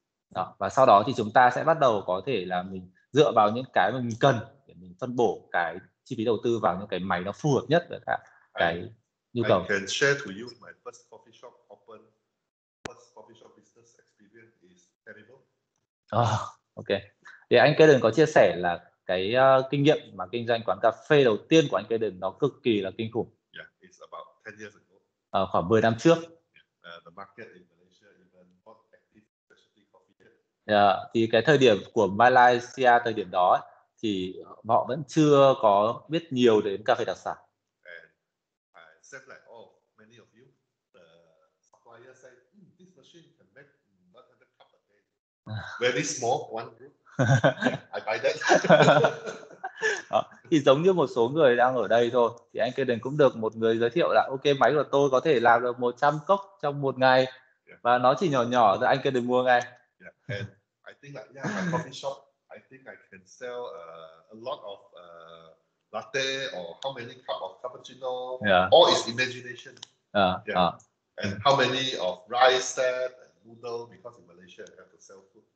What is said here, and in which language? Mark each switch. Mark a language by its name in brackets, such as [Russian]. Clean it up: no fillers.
[Vietnamese] Đó, và sau đó thì chúng ta sẽ bắt đầu có thể là mình dựa vào những cái mình cần để mình phân bổ cái chi phí đầu tư vào những cái máy nó phù hợp nhất với cả cái nhu cầu. [English] I can share to you my first coffee shop open. First coffee shop business experience is terrible. Okay. [Vietnamese] Thì anh Kaden có chia sẻ là cái kinh nghiệm mà kinh doanh quán cà phê đầu tiên của anh Kaden nó cực kỳ là kinh khủng. [English] Yeah, it's about 10 years ago. [Vietnamese] Khoảng 10 năm trước. [English] The market in Malaysia even not active specialty coffee yet. [Vietnamese] Thì cái thời điểm của Malaysia thời điểm đó ấy, thì họ vẫn chưa có biết nhiều đến cà phê đặc sản. [English] And I said like many of you, the supplier said, this machine can make 100 cup a day. Very small one group. I buy that. [Vietnamese] Đó. Thì giống như một số người đang ở đây thôi thì anh Kaden cũng được một người giới thiệu là ok máy của tôi có thể làm được 100 cốc trong một ngày và nó chỉ nhỏ nhỏ thì anh Kaden mua ngay. [English] Yeah. I think like my coffee shop I think I can sell a lot of latte or how many cup of cappuccino. Yeah. All is imagination. And how many of rice set and noodle because in Malaysia I have to sell food.